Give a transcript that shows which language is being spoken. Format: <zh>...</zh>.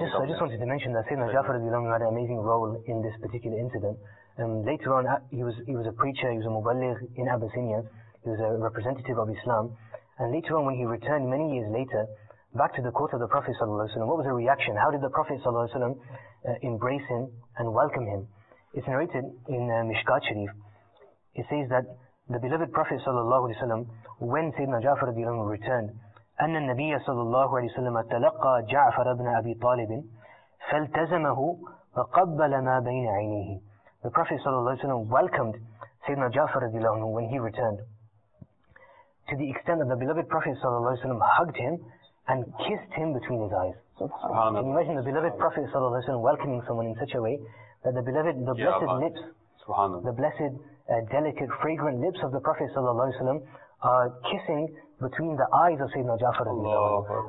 <en>I just wanted to mention that Sayyidina Ja'far had an amazing role in this particular incident. Later on, he was a preacher, he was a muballigh in Abyssinia. He was a representative of Islam. And later on, when he returned many years later, back to the court of the Prophet ﷺ, what was the reaction? How did the Prophet ﷺ embrace him and welcome him? It's narrated in Mishkat Sharif. It says that the beloved Prophet ﷺ, when Sayyidina Ja'far ibn returned,</en> <ar>أن النبي صلى الله عليه وسلم تلقى جعفر بن أبي طالب فالتزمه وقبل ما بين عينيه.</ar> <en>The Prophet صلى الله عليه وسلم welcomed Sayyidina Ja'far رضي الله عنه when he returned, to the extent that the beloved Prophet صلى الله عليه وسلم hugged him and kissed him between his eyes. Subhanallah. Can you imagine the beloved Prophet صلى الله عليه وسلم welcoming someone in such a way that the beloved, the blessed lips, the blessed, delicate, fragrant lips of the Prophet صلى الله عليه وسلم are kissing between the eyes of Sayyidina Ja'far رضي الله عنه.</en>